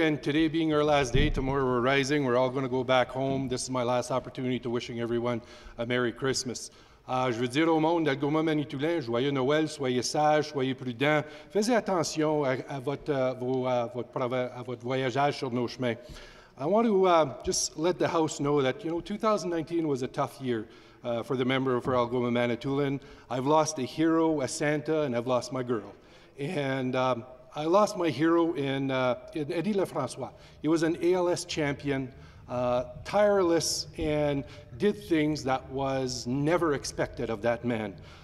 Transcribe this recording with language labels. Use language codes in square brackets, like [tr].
[en] And today being our last day, tomorrow we're rising. We're all going to go back home. This is my last opportunity to wishing everyone a Merry Christmas. [fr] Je veux dire au monde d'Algoma, Manitoulin, joyeux Noël, soyez sages, soyez prudents. Faites attention à votre voyageage sur nos chemins. [en] I want to just let the House know that, you know, 2019 was a tough year for the member for Algoma, Manitoulin. I've lost a hero, a Santa, and I've lost my girl. And I lost my hero in Eddie LeFrançois. He was an ALS champion, tireless, and did things that was never expected of that man.